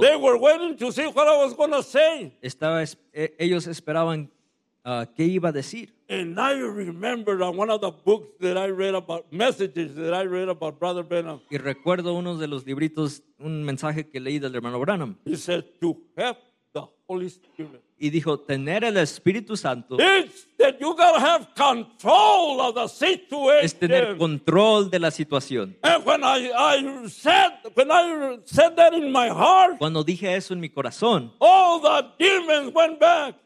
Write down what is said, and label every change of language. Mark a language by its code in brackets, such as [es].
[en] They were waiting to see what I was going to say. [es] Ellos esperaban qué iba a decir. [en] And I remember one of the books that I read about, messages that I read about Brother Branham. [es] Y recuerdo uno de los libritos, un mensaje que leí del hermano Branham. [en] He said, to have the Holy Spirit. [es] Y dijo, tener el Espíritu Santo. [en] It's that you gotta have control of the situation. [es] Es tener control de la situación. [en] And when I said that in my heart. [es] Cuando dije eso en mi corazón. [en] All the demons went back.